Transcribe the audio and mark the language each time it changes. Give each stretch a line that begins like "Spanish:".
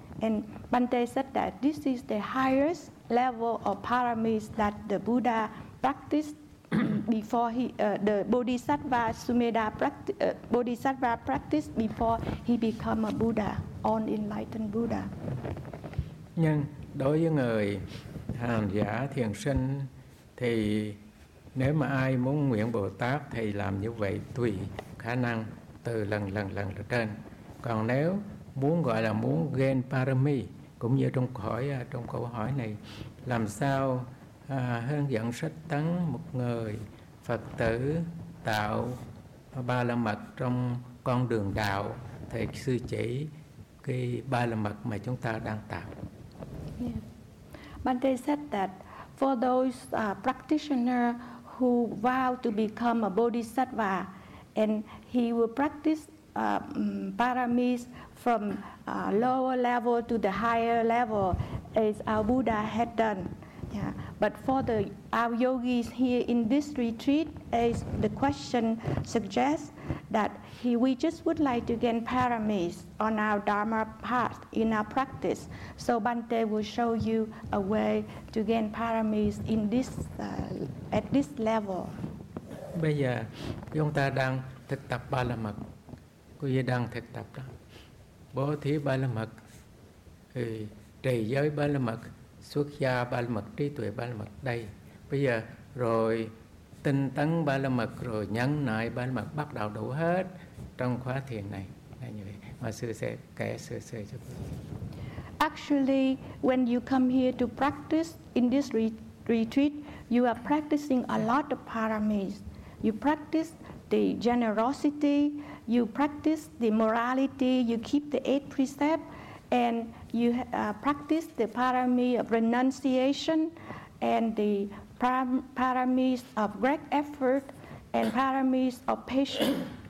English: And Bhante said that this is the highest level of paramis that the Buddha practiced before he, the Bodhisattva Sumedha Bodhisattva practiced before he become a Buddha, on enlightened Buddha.
Vietnamese: Nhưng đối với người hành giả thiền sinh thì nếu mà ai muốn nguyện Bồ Tát thì làm như vậy tùy khả năng từ lần lên trên. Còn nếu muốn gọi là muốn
English: gain
Vietnamese: parami, cũng như trong câu hỏi này, làm sao hướng dẫn sách tấn một người Phật tử tạo ba la mật trong con đường đạo, thì sư chỉ cái ba la mật mà chúng ta đang tạo.
English: Yeah. Bhante said that for those practitioners who vow to become a bodhisattva, and he will practice paramis from lower level to the higher level, as our Buddha had done. Yeah. But for the our yogis here in this retreat, as the question suggests, that we just would like to gain paramis on our Dharma path in our practice. So Bhante will show you a way to gain paramis in this at this level.
Vietnamese: Bây giờ chúng ta đang thực tập ba la mật. Quý vị đang thực tập đó, bố thí ba la mật, thì trì giới ba la mật, xuất gia ba la mật, trí tuệ ba la mật đây. Bây giờ rồi tinh tấn ba la mật, rồi nhẫn nại ba la mật, bắt đầu đủ hết trong khóa thiền này. Là như vậy. Mà sư sẽ kể sơ cho quý vị.
English: Actually, when you come here to practice in this retreat, you are practicing a lot of paramis. You practice the generosity, you practice the morality, you keep the eight precepts, and you practice the parami of renunciation, and the paramis of great effort, and paramis of patience.